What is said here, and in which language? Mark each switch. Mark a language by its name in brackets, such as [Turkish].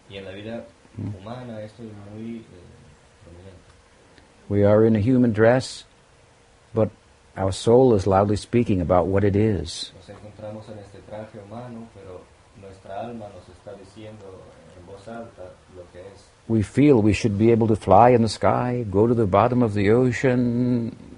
[Spanish] Y en la vida humana esto es muy prominente. [English] We are in a human dress, but our soul is loudly speaking about what it is. [Spanish] Nos encontramos en este traje humano, pero nuestra alma nos está diciendo en voz alta lo que es. [English] We feel we should be able to fly in the sky, go to the bottom of the ocean.